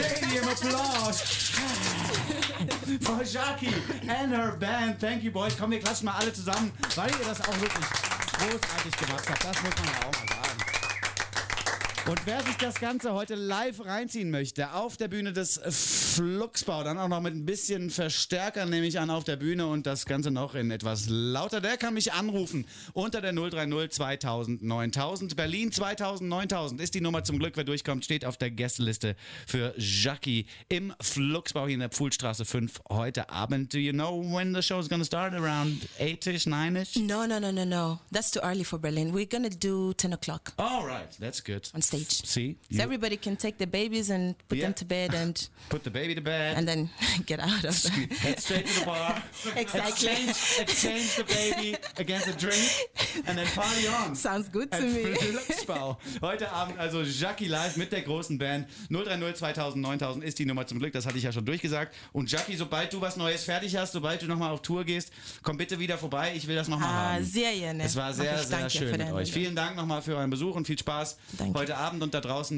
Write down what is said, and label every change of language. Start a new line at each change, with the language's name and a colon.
English: Frau Jackie and her band, thank you boys.
German: Komm, wir klatschen mal alle zusammen, weil ihr das auch wirklich großartig gemacht habt. Das muss man ja auch mal sagen. Und wer sich das Ganze heute live reinziehen möchte, auf der Bühne des Fluxbau, dann auch noch mit ein bisschen Verstärker, nehme ich an, auf der Bühne und das Ganze noch in etwas lauter. Der kann mich anrufen unter der 030 2000 9000. Berlin 2000 9000 ist die Nummer, zum Glück, wer durchkommt, steht auf der Gästeliste für Jacky im Fluxbau hier in der Pfuhlstraße 5 heute Abend.
English: Do you know when the show is gonna start? Around 8-ish, 9-ish? No. That's too early for Berlin. We're gonna do 10 o'clock. All right, that's good. On stage. See? So everybody can take the babies and put them to bed and... Put the baby to bed. And then get out of there. Head straight to the bar. Exactly. Exchange the baby against a drink and then party on. Sounds good to me.
German: Fluxbau. Heute Abend also Jacky live mit der großen Band. 030 2000 9000 ist die Nummer, zum Glück. Das hatte ich ja schon durchgesagt. Und Jacky, sobald du was Neues fertig hast, sobald du nochmal auf Tour gehst, komm bitte wieder vorbei. Ich will das nochmal haben. Sehr gerne. Es war sehr, sehr schön mit euch. Vielen Dank nochmal für euren Besuch und viel Spaß heute Abend und da draußen.